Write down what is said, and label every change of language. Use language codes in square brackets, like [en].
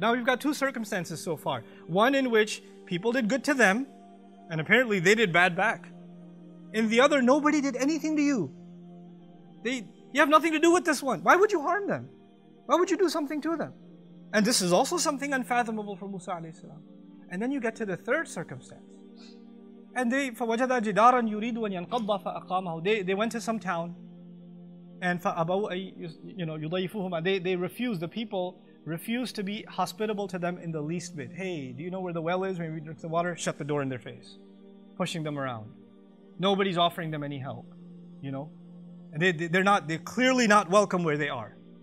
[en] Now, we've got two circumstances so far. One in which people did good to them, and apparently they did bad back. In the other, nobody did anything to you. You have nothing to do with this one. Why would you harm them? Why would you do something to them? And this is also something unfathomable for Musa alayhi salam. And then you get to the third circumstance. And they, [ar] فَوَجَدَ جِدَارًا يُرِيدُ أَنْ يَنْقَضَّ فَأَقَامَهُ. [en] They went to some town. And [ar] فَأَبَوْا أَيْ, [en] you know, [ar] يُضَيِّفُهُمَا. [en] They refused, the people refused to be hospitable to them in the least bit. Hey, do you know where the well is? Maybe drink the water? Shut the door in their face. Pushing them around. Nobody's offering them any help. You know? And they're clearly not welcome where they are.